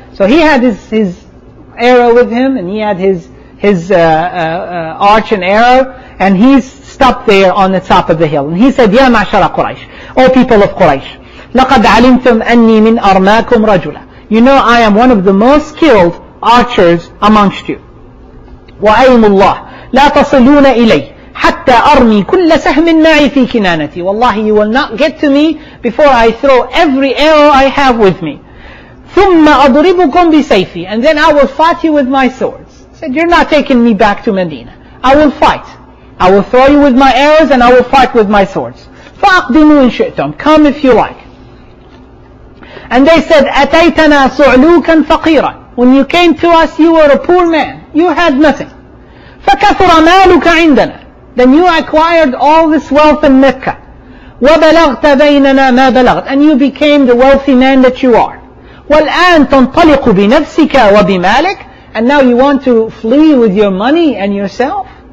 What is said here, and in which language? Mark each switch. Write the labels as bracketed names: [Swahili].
[English] So he had his arrow with him, and he had his arch and arrow, and he's stopped there on the top of the hill. And he said, Ya ma'ashara Quraysh, O people of Quraysh, [Arabic] لَقَدْ عَلِمْتُمْ أَنِّي مِنْ أَرْمَاكُمْ رَجُلًا. [English] You know, I am one of the most skilled archers amongst you. [Arabic] وَأَيْمُ اللَّهِ لا تصلون إلي حتى أرمي كل سهم معي في كنانتي. والله, [English] you will not get to me before I throw every arrow I have with me. [Arabic] ثم أضربكم بسيفي, [English] and then I will fight you with my swords. He said, you're not taking me back to Medina. I will fight. I will throw you with my arrows and I will fight with my swords. [Arabic] فأقدموا إن شئتم, [English] come if you like. And they said, [Arabic] أتيتنا صعلوكا فقيرا. [English] When you came to us, you were a poor man. You had nothing. [Arabic] فَكَثُرَ مَالُكَ عِنْدَنَا [English] Then you acquired all this wealth in Mecca. [Arabic] وَبَلَغْتَ بَيْنَنَا مَا بَلَغْتَ [English] And you became the wealthy man that you are. [Arabic] وَالْآنَ تَنْطَلِقُ بِنَفْسِكَ وَبِمَالِكَ [English] And now you want to flee with your money and yourself?